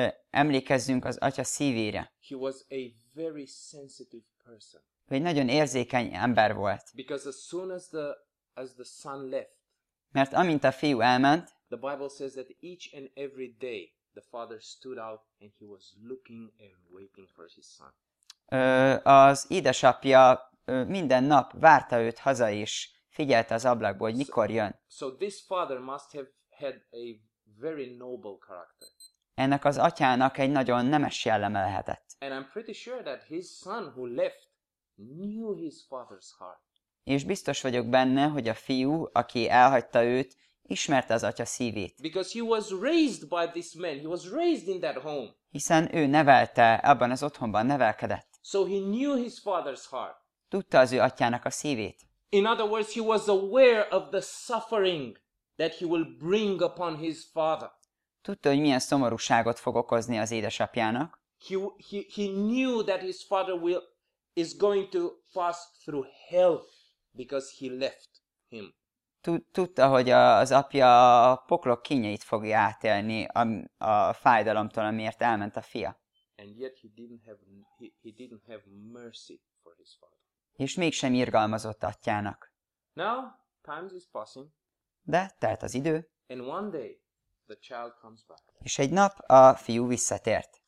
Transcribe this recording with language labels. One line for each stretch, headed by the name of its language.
Hungarian: Emlékezzünk az atya szívére.
English: He was a very sensitive person.
Hungarian: Ő egy nagyon érzékeny ember volt.
English: Because as soon as the son left,
Hungarian: mert amint a fiú elment,
English: the Bible says that each and every day the father stood out and he was looking and waiting for his son.
Hungarian: Az édesapja minden nap várta őt haza is, figyelte az ablakból, hogy mikor jön.
English: So this father must have had a very noble character.
Hungarian: Ennek az atyának egy nagyon nemes jelleme lehetett.
English: And I'm pretty sure that his son who left knew his father's heart.
Hungarian: És biztos vagyok benne, hogy a fiú, aki elhagyta őt, ismerte az atya szívét.
English: Because he was raised by this man. He was raised in that home.
Hungarian: Hiszen ő nevelte, abban az otthonban nevelkedett.
English: So he knew his father's heart.
Hungarian: Tudta az ő atyának a szívét.
English: In other words, he was aware of the suffering that he will bring upon his father.
Hungarian: Tudta, hogy milyen szomorúságot fog okozni az édesapjának.
English: He knew that his father is going to pass through hell because he left him.
Hungarian: Tudta, hogy az apja a poklok kínjait fogja átélni a fájdalomtól, amiért elment a fia.
English: And yet he didn't have mercy for his father.
Hungarian: És mégsem irgalmazott atyának.
English: Now, time is passing.
Hungarian: De telt az idő.
English: And one day the child comes back.
Hungarian: És egy nap a fiú visszatért.